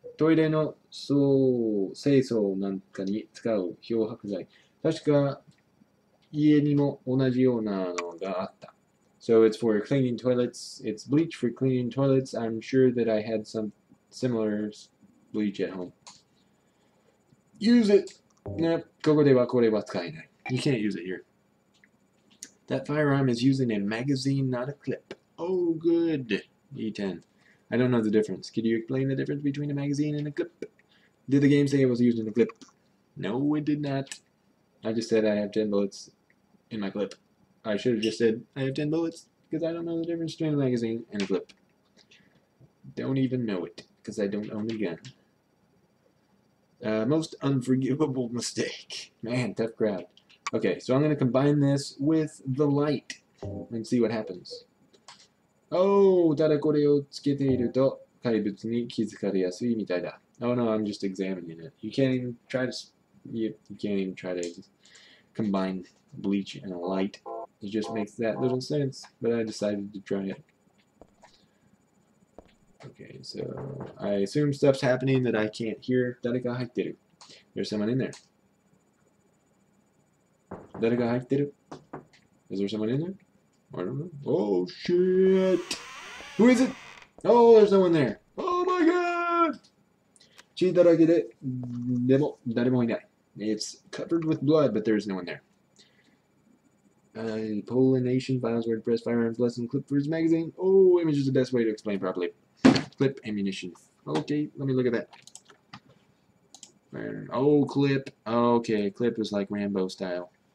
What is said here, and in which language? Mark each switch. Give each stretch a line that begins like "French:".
Japanese: トイレの清掃なんかに使う漂白剤. 確か家にも同じようなのがあった。
English: So it's for cleaning toilets. It's bleach for cleaning toilets. I'm sure that I had some similar bleach at home. Use it! Nope,
Japanese: ここではこれは使えない.
English: You can't use it here. That firearm is using a magazine, not a clip. Oh, good. E10. I don't know the difference. Could you explain the difference between a magazine and a clip? Did the game say it was used in a clip? No, it did not. I just said I have 10 bullets in my clip. I should have just said I have 10 bullets because I don't know the difference between a magazine and a clip. Don't even know it because I don't own a gun. Most unforgivable mistake. Man, tough crowd. Okay, so I'm going to combine this with the light and see what happens.
Japanese: Oh, ただこれをつけていると怪物に気づかれやすいみたいだ.
English: Oh no, I'm just examining it. You can't even try to combine bleach and light. It just makes that little sense, but I decided to try it. Okay, so I assume stuff's happening that I can't hear.
Japanese: 誰か入ってる?
English: There's someone in there.
Japanese: 誰か入ってる?
English: Is there someone in there? I don't know. Oh, shit! Who is it? Oh, there's someone there! Oh, my God!
Japanese: 血だらけで、でも誰もいない.
English: It's covered with blood, but there's no one there. Pollination files, WordPress, firearms, lesson, clip for his magazine. Oh, image is the best way to explain properly. Clip, ammunition. Okay, let me look at that. Oh, clip. Okay, clip is like Rambo style.